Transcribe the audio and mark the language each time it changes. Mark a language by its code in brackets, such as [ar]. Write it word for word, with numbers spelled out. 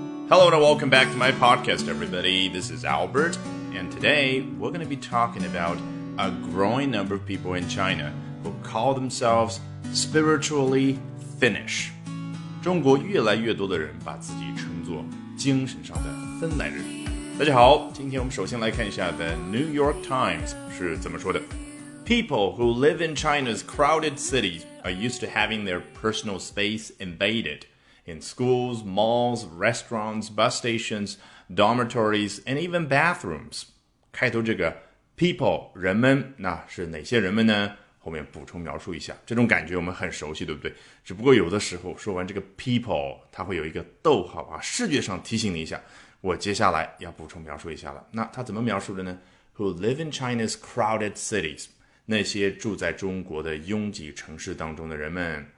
[en] Hello and welcome back to my podcast, everybody. This is Albert, and today we're going to be talking about a growing number of people in China who call themselves spiritually Finnish. [zh] 中国越来越多的人把自己称作精神上的芬兰人。大家好，今天我们首先来看一下 The New York Times 是怎么说的。 [en] People who live in China's crowded cities are used to having their personal space invaded. In schools, malls, restaurants, bus stations, dormitories, and even bathrooms. [zh] 开头这个 people 人们，那是哪些人们呢？后面补充描述一下，这种感觉我们很熟悉，对不对？只不过有的时候说完这个 people， 它会有一个逗号啊，视觉上提醒你一下，我接下来要补充描述一下了。那它怎么描述的呢 ？ [en] Who live in China's crowded cities， [zh] 那些住在中国的拥挤城市当中的人们。